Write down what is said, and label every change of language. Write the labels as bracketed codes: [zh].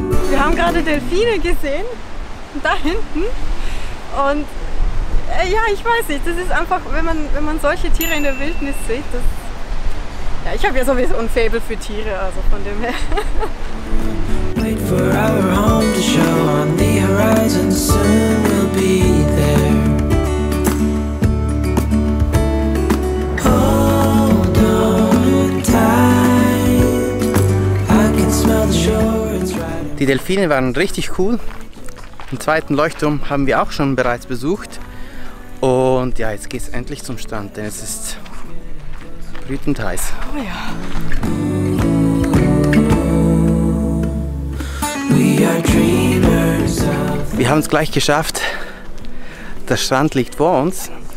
[de] Wir haben gerade Delfine gesehen, da hinten. Und ja, ich weiß nicht, das ist einfach, wenn man solche Tiere in der Wildnis sieht, das. Ja, ich habe ja sowieso ein Faible für Tiere, also von dem her. [en] Wait for our home to show on the horizon, soon we'll be there. Hold on tight. I can smell the shore, it's right. [de] Die Delfine waren richtig cool. Den zweiten Leuchtturm haben wir auch schon bereits besucht. Und ja, jetzt geht's endlich zum Strand, denn es ist brütend heiß. Oh ja. Wir haben es gleich geschafft. Der Strand liegt vor uns.